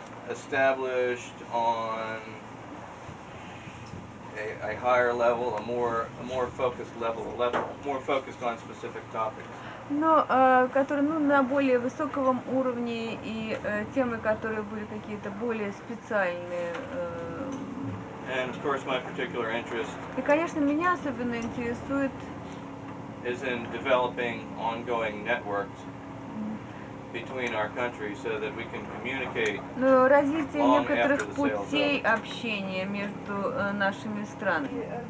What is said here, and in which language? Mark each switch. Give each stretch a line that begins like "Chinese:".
English: Established on a higher level, a more focused level, a level more focused on specific topics.
Russian: Но которые на более высоком уровне и темы, которые были какие-то более специальные.
English: And of course, my particular interest.
Russian: И, конечно, меня особенно интересует.
English: Is in developing ongoing networks between our countries so that we can communicate.
Russian: Ну, развитие некоторых путей общения между нашими странами.